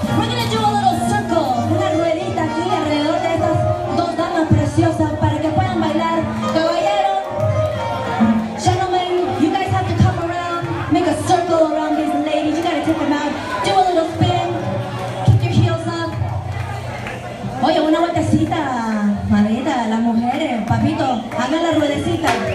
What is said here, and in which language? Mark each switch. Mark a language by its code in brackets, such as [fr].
[en] We're going to do a little circle, [es] una ruedita aquí alrededor de estas dos damas preciosas para que puedan bailar. [en] Caballero, gentlemen, you guys have to come around, make a circle around these ladies. You got to take them out. Do a little spin. Keep your heels up. [es] Oye, una vueltecita, mamita, las mujeres, papito, haga la ruedecita.